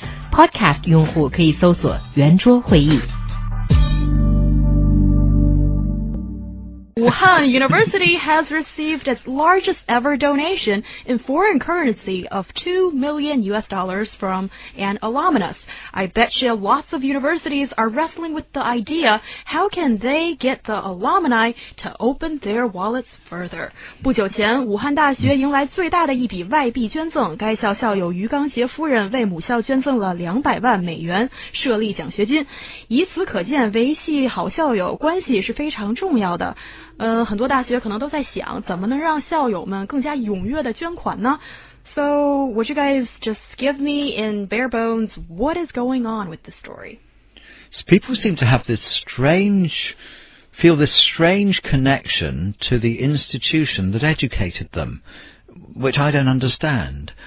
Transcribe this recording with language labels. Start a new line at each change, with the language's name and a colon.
Chinese: Podcast 用户可以搜索圆桌会议。
English: Wuhan University has received its largest ever donation in foreign currency of $2 million from an alumnus. I bet you lots of universities are wrestling with the idea, how can they get the alumni to open their wallets further?
Chinese: 不久前，武汉大学迎来最大的一笔外币捐赠，该校校友于刚杰夫人为母校捐赠了$2,000,000设立奖学金。以此可见，维系好校友关系是非常重要的。很多大学可能都在想，怎么能让校友们更加踊跃的捐款呢？
English: So, would you guys just give me in bare bones what is going on with the story? So people seem to have this strange, feel this strange connection to the institution that educated them, which I don't understand.